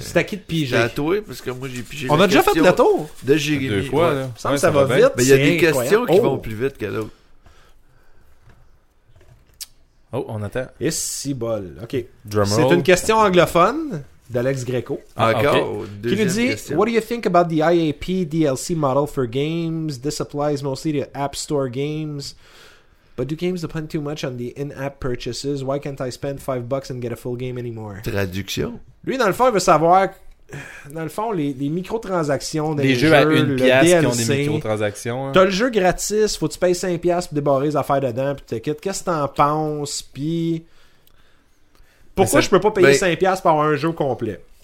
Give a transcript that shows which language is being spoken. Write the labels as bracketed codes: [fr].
[fr] C'est à qui de piger? C'est à toi, parce que moi j'ai pigé. On a déjà fait le tour. De Jérémy. Deux fois, là. Ouais, ouais, ça va bien. Vite. Mais il y a des questions qui vont plus vite que d'autres. Oh, on attend. Et cibole. Ok. C'est une question anglophone. D'Alex Greco. Okay. Qui nous dit question. [en] What do you think about the IAP DLC model for games? This applies mostly to App Store games. But do games depend too much on the in-app purchases? Why can't I spend $5 and get a full game anymore? [fr] Traduction. Lui, dans le fond, il veut savoir. Dans le fond, les microtransactions des jeux à une pièce DLC, qui ont des microtransactions. Hein. T'as le jeu gratis, faut que tu payes 5$ pour débarrer les affaires dedans, puis t'inquiète. Qu'est-ce que t'en penses? Puis. Pourquoi je peux pas payer 5$ pour avoir un jeu complet?